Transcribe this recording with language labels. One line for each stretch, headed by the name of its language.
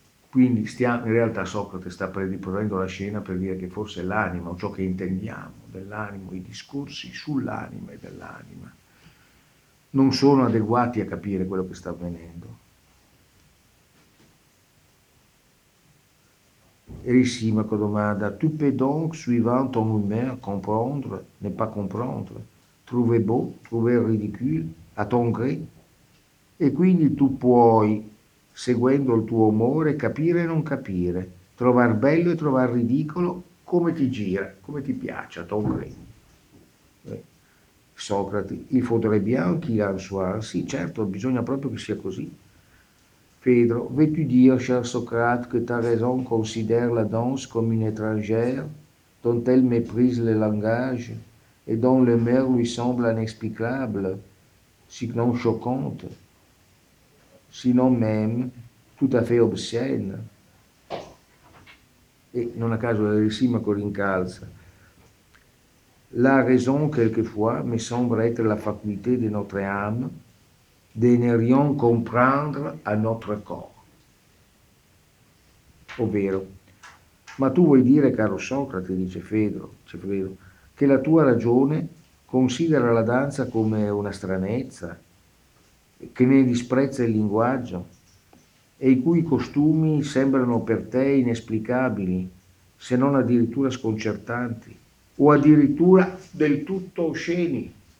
Italian: Quindi in realtà Socrate sta riprendendo la scena per dire che forse l'anima, o ciò che intendiamo dell'animo, i discorsi sull'anima e dell'anima, non sono adeguati a capire quello che sta avvenendo. Erissimaco domanda,
French: tu peux donc, suivant ton humeur, comprendre, ne pas comprendre, trouver beau, trouver ridicule, à ton gré?
Italian: E quindi tu puoi, seguendo il tuo umore, capire e non capire, trovar bello e trovar ridicolo, come ti gira, come ti piace,
French: a ton gré. Socrate, il faudrait bien qu'il en soit ainsi,
Italian: certo, bisogna proprio che sia così.
French: Phèdre, veux-tu dire, cher Socrate, que ta raison considère la danse comme une étrangère, dont elle méprise le langage et dont les mœurs lui semblent inexplicables, sinon choquantes, sinon même tout à fait obscènes? Et non à cause de la récit, ma corincalza. La raison, quelquefois, me semble être la faculté de notre âme de ne rien comprendre à notre corps.
Italian: Ovvero, ma tu vuoi dire, caro Socrate, dice Fedro, che la tua ragione considera la danza come una stranezza, che ne disprezza il linguaggio e i cui costumi sembrano per te inesplicabili, se non addirittura sconcertanti, o addirittura del tutto osceni?